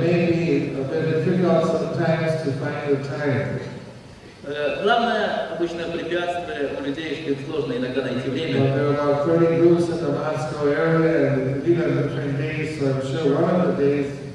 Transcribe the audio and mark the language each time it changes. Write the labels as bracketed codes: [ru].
[en] Maybe a bit difficult sometimes to find your time. [ru] Главное обычное препятствие у людей, что им сложно иногда найти время. [en] But there are about 30 groups in the Moscow area, and these are different days, so I'm sure one of the days.